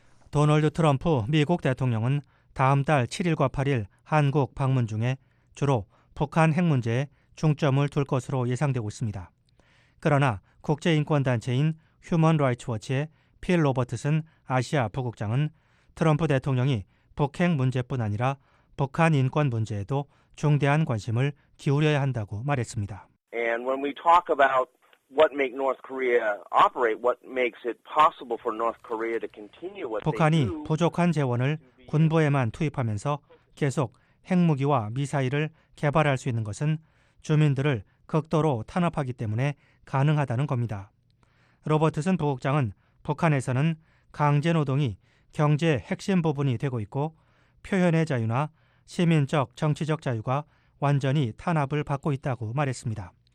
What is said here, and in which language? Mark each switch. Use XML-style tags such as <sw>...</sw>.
<ko>도널드 트럼프 미국 대통령은 다음 달 7일과 8일 한국 방문 중에 주로 북한 핵 문제에 중점을 둘 것으로 예상되고 있습니다. 그러나 국제인권단체인 휴먼 라이츠 워치의 필 로버트슨 아시아 부국장은 트럼프 대통령이 북핵 문제뿐 아니라 북한 인권 문제에도 중대한 관심을 기울여야 한다고 말했습니다.</ko> <en>And when we talk about what makes North Korea operate, what makes it possible for North Korea to continue what they do.</en> <ko>북한이 부족한 재원을 군부에만 투입하면서 계속 핵무기와 미사일을 개발할 수 있는 것은 주민들을 극도로 탄압하기 때문에 가능하다는 겁니다. 로버트슨 부국장은 북한에서는 강제노동이 경제의 핵심 부분이 되고 있고 표현의 자유나 시민적 정치적 자유가 완전히 탄압을 받고 있다고 말했습니다.</ko>